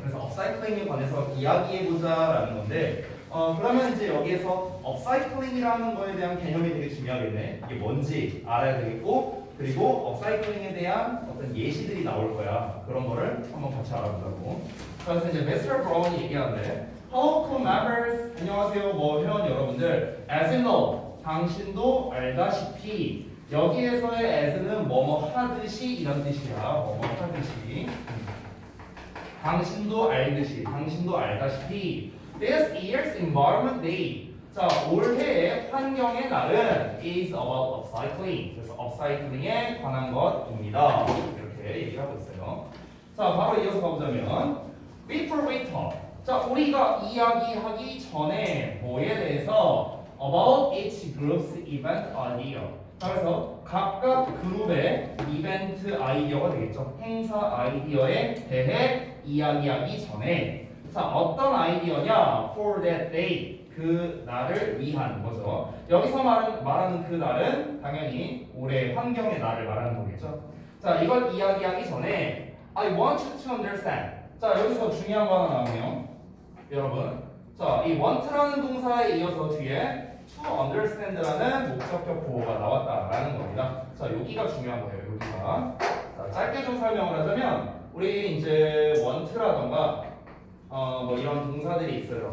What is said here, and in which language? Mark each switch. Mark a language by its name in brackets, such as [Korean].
[Korean] 그래서 업사이클링에 관해서 이야기해보자 라는 건데 그러면 이제 여기에서 업사이클링이라는 거에 대한 개념이 되게 중요하겠네. 이게 뭔지 알아야 되겠고 그리고 업사이클링에 대한 어떤 예시들이 나올 거야. 그런 거를 한번 같이 알아보자고. 그래서 이제 Mr. Brown이 얘기하는데 [English] Hello, co-members. [Korean] 안녕하세요, 뭐 회원 여러분들. [English] As you know, [Korean] 당신도 알다시피 여기에서의 as는 뭐뭐 하듯이 이런 뜻이야. 뭐뭐 하듯이. 당신도 알듯이, 당신도 알다시피 [English] This year's environment day. [Korean] 자, 올해의 환경의 날은 [English] is about upcycling. [Korean] 그래서 upcycling에 관한 것입니다. 이렇게 얘기하고 있어요. 자, 바로 이어서 가보자면 [English] Before we talk. [Korean] 자, 우리가 이야기하기 전에 뭐에 대해서 [English] About each group's event idea. [Korean] 그래서 각각 그룹의 이벤트 아이디어가 되겠죠. 행사 아이디어에 대해 이야기하기 전에 자 어떤 아이디어냐? [English] For that day, [Korean] 그 날을 위한 거죠. 여기서 말하는 그 날은 당연히 올해 환경의 날을 말하는 거겠죠. 자 이걸 이야기하기 전에 [English] I want you to understand. [Korean] 자 여기서 중요한 거 하나 나오네요. 여러분, 자 이 want라는 동사에 이어서 뒤에 to understand라는 목적격 보호가 나왔다라는 겁니다. 자, 여기가 중요한 거예요, 여기가. 자, 짧게 좀 설명을 하자면, 우리 이제 want라던가, 뭐 이런 동사들이 있어요.